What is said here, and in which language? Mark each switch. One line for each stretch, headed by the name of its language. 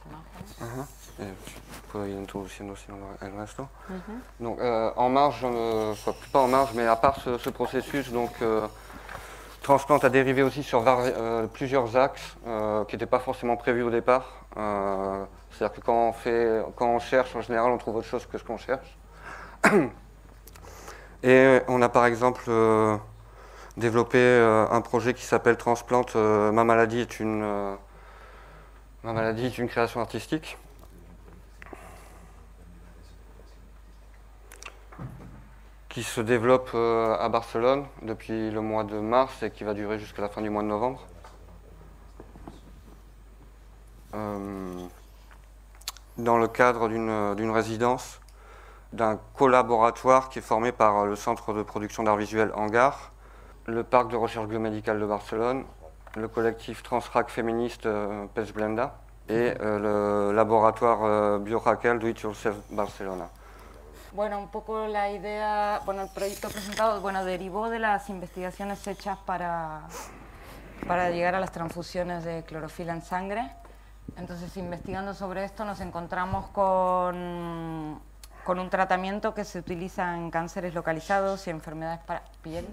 Spanish: imágenes. Puedo ir introduciendo sino el resto.
French: Donc en marge, pas en marge, mais à part ce processus, donc Transplant a dérivé aussi sur plusieurs axes qui n'étaient pas forcément prévus au départ. C'est-à-dire que quand on cherche, en général, on trouve autre chose que ce qu'on cherche. Et on a par exemple développé un projet qui s'appelle Transplant, ma maladie est une création artistique. Qui se développe à Barcelone depuis le mois de mars et qui va durer jusqu'à la fin du mois de novembre. Dans le cadre d'une résidence, d'un collaboratoire qui est formé par le centre de production d'art visuel Hangar, le parc de recherche biomédicale de Barcelone, le collectif Transrac féministe Pes Blenda et le laboratoire BioRaquel Do It Yourself Barcelona.
Spanish: Bueno, un poco la idea, bueno, el proyecto presentado, bueno, derivó de las investigaciones hechas para llegar a las transfusiones de clorofila en sangre. Entonces, investigando sobre esto, nos encontramos con un tratamiento que se utiliza en cánceres localizados y enfermedades para piel.